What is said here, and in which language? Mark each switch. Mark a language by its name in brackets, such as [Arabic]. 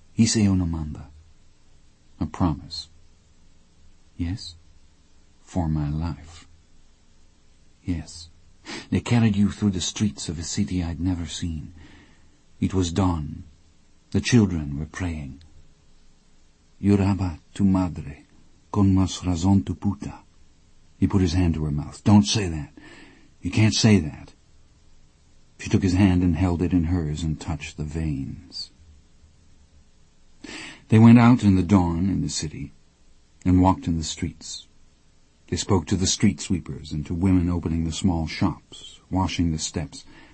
[Spanish] Hice una manda." [English] "A promise?" "Yes." "For my life?" "Yes. They carried you through the streets of a city I'd never seen. It was dawn. The children were praying. [Spanish] Juraba tu madre, con más razón tu puta." [English] He put his hand to her mouth. "Don't say that. You can't say that." She took his hand and held it in hers and touched the veins. They went out in the dawn in the city and walked in the streets. They spoke to the street sweepers and to women opening the small shops, washing the steps.